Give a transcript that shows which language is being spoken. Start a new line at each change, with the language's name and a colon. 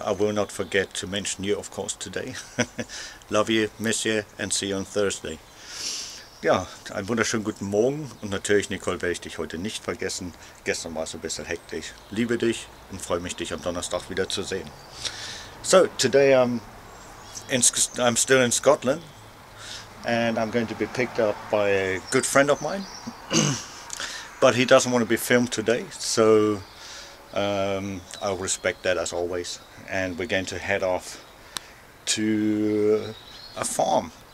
English: I will not forget to mention you, of course, today. Love you, miss you, and see you on Thursday.
German: Ja, einen wunderschönen guten Morgen und natürlich, Nicole, werde ich dich heute nicht vergessen. Gestern war es ein bisschen hektisch. Liebe dich und freue mich, dich am Donnerstag wieder zu sehen.
English: So, today I'm still in Scotland and I'm going to be picked up by a good friend of mine. But he doesn't want to be filmed today, so I'll respect that as always. And we're going to head off to a farm.